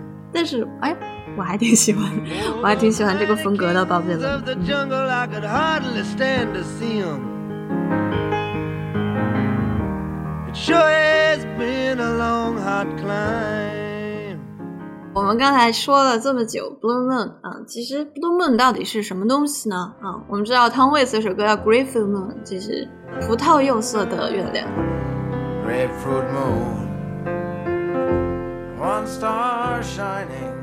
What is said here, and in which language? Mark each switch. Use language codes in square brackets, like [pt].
[zh] 但是哎，我还挺喜欢这个风格的，宝贝们。 [en] Of the jungle, I could hardly stand to see him. It sure has been a long, hard climb. [zh] 我们刚才说了这么久 ，Blue Moon 啊，其实 Blue Moon 到底是什么东西呢？啊，我们知道 Tom Waits 这首歌叫 Grapefruit Moon， 就是葡萄柚色的月亮。 [en] Grapefruit Moon. One star shining,